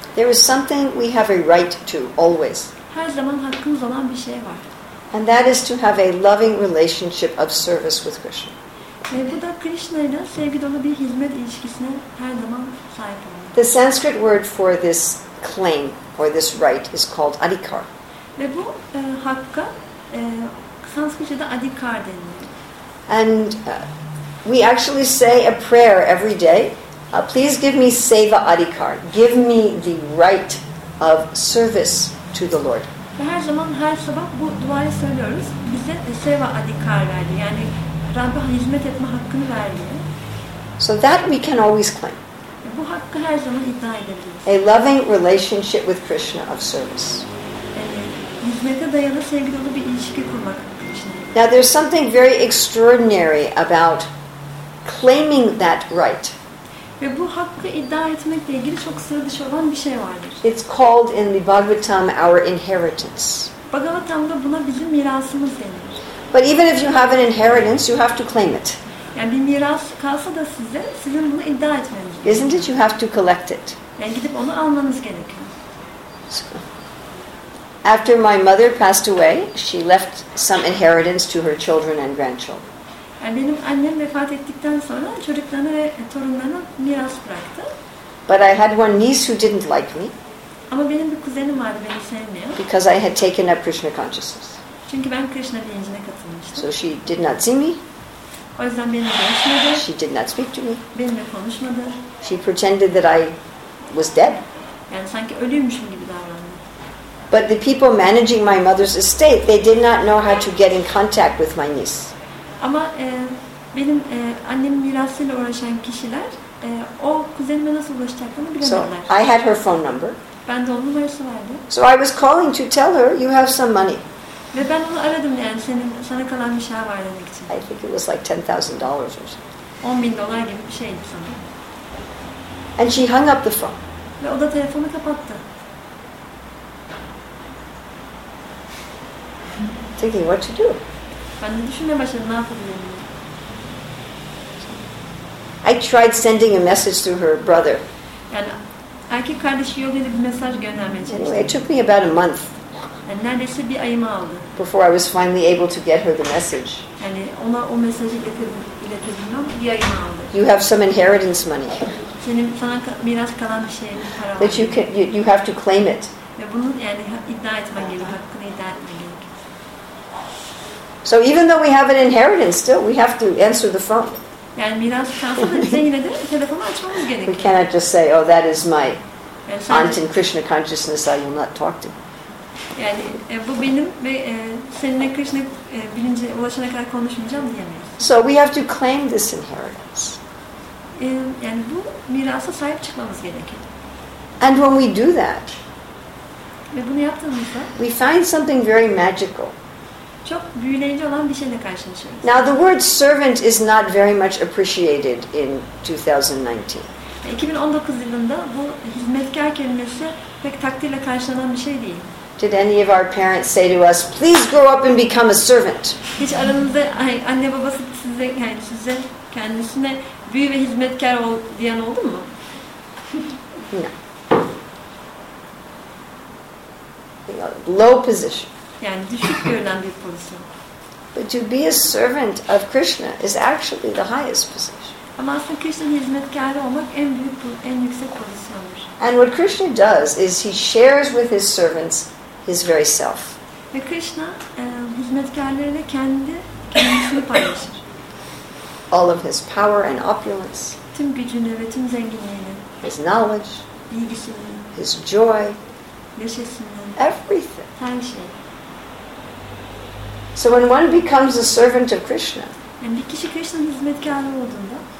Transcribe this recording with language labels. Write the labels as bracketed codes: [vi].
[en] There is something we have a right to always. [tr] Her zaman hakkımız olan bir şey var. [en] And that is to have a loving relationship of service with Krishna. [tr] Ve bu da Krishna ile sevgi dolu bir hizmet ilişkisine her zaman sahip olmak. [en] The Sanskrit word for this claim or this right is called adhikar. [tr] Ve bu hakka Sanskritçe'de adhikar deniliyor. [en] And we actually say a prayer every day. Please give me seva adhikar. Give me the right of service to the Lord. [tr] Her zaman her sabah bu duayı söylüyoruz. Bize seva adhikar verdi. Yani Rabb'e hizmet etme hakkını verdi. [en] So that we can always claim. [tr] Bu hakkı her zaman iddia edebiliriz. [en] A loving relationship with Krishna of service. [tr] Hizmete dayalı sevgi dolu bir ilişki kurmak. [en] Now there's something very extraordinary about claiming that right. [tr] Ve bu hakkı iddia etmekle ilgili çok sıra dışı olan bir şey vardır. [en] It's called in the Bhagavatam our inheritance. [tr] Bhagavatam'da buna bizim mirasımız denir. [en] But even if you have an inheritance, you have to claim it. [tr] Yani bir miras kalsa da size, sizin bunu iddia etmeniz gerekiyor. [en] Isn't it? You have to collect it. [tr] Yani gidip onu almanız gerekiyor. [en] After my mother passed away, she left some inheritance to her children and grandchildren. [tr] Yani benim annem vefat ettikten sonra çocuklarına ve torunlarına miras bıraktı. [en] But I had one niece who didn't like me. [tr] Ama benim bir kuzenim vardı beni sevmiyor. [en] Because I had taken up Krishna consciousness. [tr] Çünkü ben Krishna bilincine katılmıştım. [en] So she did not see me. [tr] O yüzden benimle görüşmedi. [en] She did not speak to me. [tr] Benimle konuşmadı. [en] She pretended that I was dead. [tr] Yani sanki ölüymüşüm gibi davrandı. [en] But the people managing my mother's estate, they did not know how to get in contact with my niece. [tr] Ama benim annemin mirasıyla uğraşan kişiler o kuzenime nasıl ulaşacaklarını bilemediler. [en] So I had her phone number. [tr] Ben de onun numarası vardı. [en] So I was calling to tell her you have some money. [tr] Ve ben onu aradım yani senin sana kalan bir şey var demek için. [en] I think it was like $10,000 or something. [tr] 10 bin dolar gibi bir şeydi sanırım. [en] And she hung up the phone. [tr] Ve o da telefonu kapattı. [en] Thinking what to do. [tr] Ben de düşünmeye başladım, ne yapabilirim? [en] I tried sending a message to her brother. [tr] Yani erkek kardeşi yolladı bir mesaj göndermeye çalıştı. [en] Anyway, it took me about a month. [tr] Yani neredeyse bir ayımı aldı. [en] Before I was finally able to get her the message. [tr] Yani ona o mesajı iletebildim, bir ayımı aldı. [en] You have some inheritance money. [tr] Senin sana miras kalan bir şey, bir para. [en] That you can, you have to claim it. [tr] Ve bunu yani iddia etmen gerekiyor, hakkını iddia etmen gerekiyor. [en] So even though we have an inheritance still, we have to answer the phone. [tr] Yani miras kalsa da bize yine de telefonu açmamız gerekiyor. [en] We cannot just say, oh, that is my aunt in Krishna consciousness, I will not talk to. [tr] Yani bu benim ve seninle Krishna bilince ulaşana kadar konuşmayacağım diyemeyiz. [en] So we have to claim this inheritance. [tr] Yani bu mirasa sahip çıkmamız gerekiyor. [en] And when we do that, [tr] ve bunu yaptığımızda, [en] we find something very magical. [tr] Çok büyüleyici olan bir şeyle karşılaşıyoruz. [en] Now the word servant is not very much appreciated in 2019. [tr] 2019 yılında bu hizmetkar kelimesi pek takdirle karşılanan bir şey değil. [en] Did any of our parents say to us, please grow up and become a servant? [tr] Hiç aranızda anne babası size, yani size kendisine büyü ve hizmetkar ol diyen oldu mu? [en] No. Low position. [tr] Yani düşük görünen bir pozisyon. [en] But to be a servant of Krishna is actually the highest position. [tr] Ama aslında Krishna'nın hizmetkarı olmak en büyük, en yüksek pozisyondur. [en] And what Krishna does is he shares with his servants his very self. [tr] Ve Krishna hizmetkarlarıyla kendisini paylaşır. [en] All of his power and opulence. [tr] Tüm gücünü ve tüm zenginliğini. [en] His knowledge. [tr] Bilgisini. [en] His joy. [tr] Neşesini. [en] Everything. [tr] Her şey. [en] So when one becomes a servant of Krishna, [tr] yani bir kişi Krishna'nın hizmetkarı olduğunda,